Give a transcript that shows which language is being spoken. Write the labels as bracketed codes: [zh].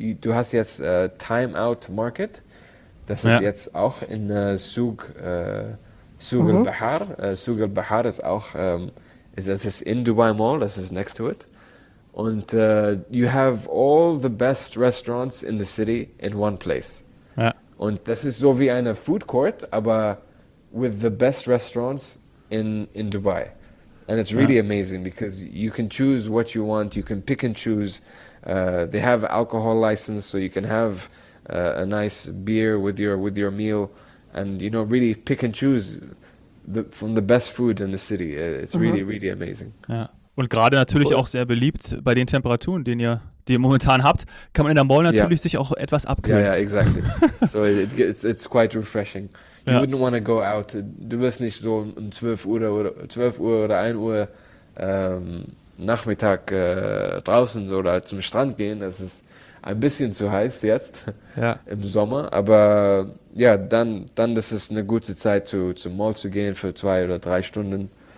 [de] Du hast jetzt Time Out Market. Das ist Ja. jetzt auch in Souq al-Bahar. Souq al-Bahar ist auch das ist in Dubai Mall. Das ist [en] next to it. And you have all the best restaurants in the city in one place. [de] Und das ist so wie eine Food Court, aber [en] with the best restaurants in Dubai. And it's really amazing because you can choose what you want. You can pick and choose. They have alcohol license, so you can have a nice beer with your meal, and you know, really pick and choose from the best food in the city. It's really, really amazing. [de] Ja. Und gerade natürlich [en] Cool. [de] auch sehr beliebt bei den Temperaturen, die ihr momentan habt, kann man in der Mall [en] Yeah, [de] natürlich sich auch etwas abkühlen. [en] exactly. So it's quite refreshing. You [de] Ja. [en] wouldn't want to go out. [de] Du wirst nicht so um 12 Uhr oder 12 Uhr oder 1 Uhr Nachmittag draußen so oder zum Strand gehen. Das ist ein bisschen zu heiß jetzt Ja. im Sommer, aber ja, dann ist es eine gute Zeit, zum Mall zu gehen für 2 oder 3 Stunden.